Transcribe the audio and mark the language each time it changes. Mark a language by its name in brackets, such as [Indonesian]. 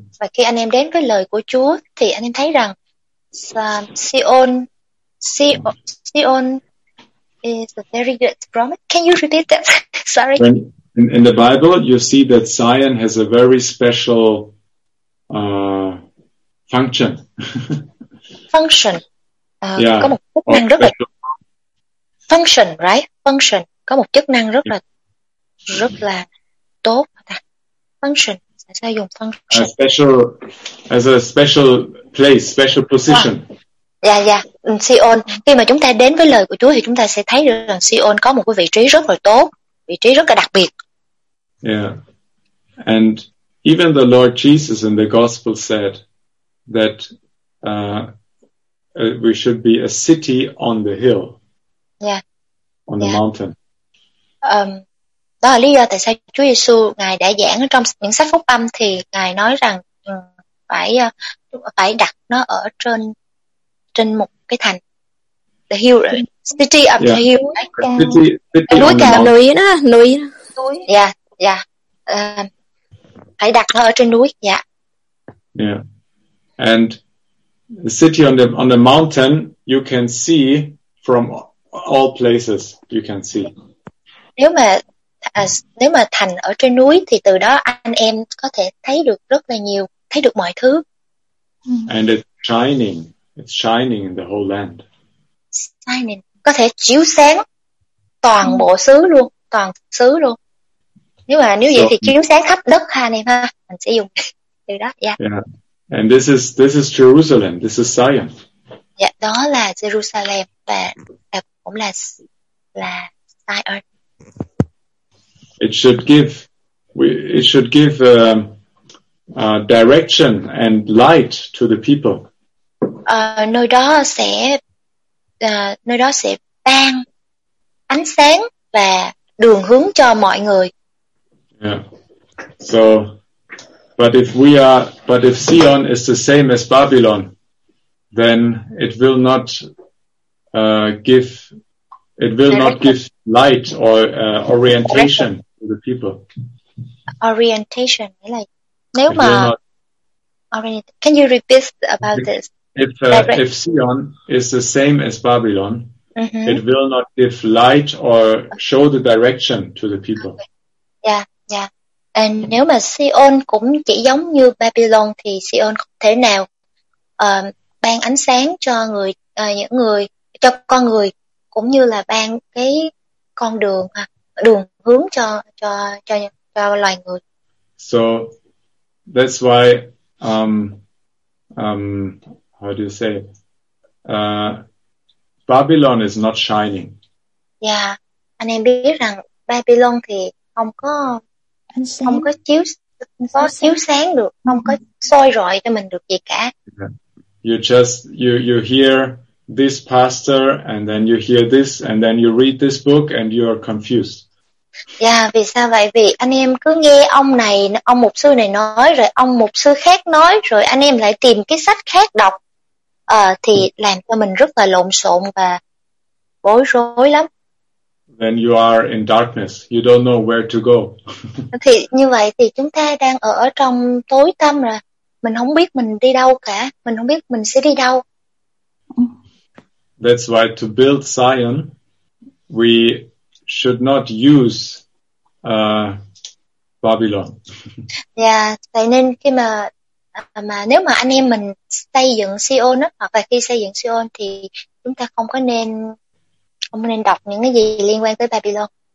[Vietnamese] Và khi anh em đến với lời của Chúa thì anh em thấy rằng Sion [English] is a very good promise. Can you repeat that? Sorry. In the Bible you see that Zion has a very special function. Function. Yeah. [Vietnamese] Có một chức năng rất special. [English] Function, right? Function. [Vietnamese] Có một chức năng rất là tốt. Function. Sao dùng function? [English] As a special place, special position. [Vietnamese] Dạ, dạ. Sion. Khi mà chúng ta đến với lời của Chúa thì chúng ta sẽ thấy được rằng Sion có một cái vị trí rất là tốt. Vị trí rất là đặc biệt. Yeah. [English] And even the Lord Jesus in the gospel said that we should be a city on the hill. Yeah. On the mountain. [Vietnamese] Đó là lý do tại sao Chúa Giêsu ngài đã giảng trong những sách phúc âm thì ngài nói rằng phải đặt nó ở trên một cái thành, [English] the hill, city of the hill, [Vietnamese] núi cao, núi đó, núi, núi, yeah, yeah, phải đặt nó ở trên núi, [English] yeah, and the city on the mountain you can see from all places, you can see. [Vietnamese] Nếu mà thành ở trên núi thì từ đó anh em có thể thấy được rất là nhiều, thấy được mọi thứ. [English] And it's shining in the whole land. [Vietnamese] Shining, có thể chiếu sáng toàn bộ xứ luôn, toàn xứ luôn. Nếu vậy thì chiếu sáng khắp đất ha anh em ha, mình sẽ dùng từ đó. Yeah. [English] Yeah. And this is Jerusalem, this is Zion. [Vietnamese] Yeah, đó là Jerusalem và cũng là Zion. [English] It should give direction and light to the people. [Vietnamese] Nơi đó sẽ ban ánh sáng và đường hướng cho mọi người. Yeah. [English] So, but if Zion is the same as Babylon, then it will not give light or orientation. Orientation. Can you repeat about this? If Zion is the same as Babylon, mm-hmm. it will not give light or show the direction to the people. Okay. Yeah, yeah. [Vietnamese] And nếu mà Zion cũng chỉ giống như Babylon thì Zion không thể nào ban ánh sáng cho người những người cho con người cũng như là ban cái con đường ha. Đường hướng cho loài người. [English] So that's why how do you say Babylon is not shining. [Vietnamese] Yeah, anh em biết rằng Babylon thì không có chiếu sáng được, không có soi rọi cho mình được gì cả. [English] You hear this pastor and then you hear this and then you read this book and you are confused. [Vietnamese] Yeah, vì sao vậy? Vì anh em cứ nghe ông này, ông mục sư này nói, rồi ông mục sư khác nói, rồi anh em lại tìm cái sách khác đọc, thì làm cho mình rất là lộn xộn và bối rối lắm. [English] Then you are in darkness, you don't know where to go. [Vietnamese] Thì như vậy thì chúng ta đang ở trong tối tăm rồi, mình không biết mình đi đâu cả, mình không biết mình sẽ đi đâu. [English] That's why to build Zion, we should not use Babylon. [Vietnamese] Yeah, tại nên khi mà nếu mà anh em mình xây dựng Sion á, hoặc là khi xây dựng Sion thì chúng ta không nên đọc những cái gì liên quan tới Babylon.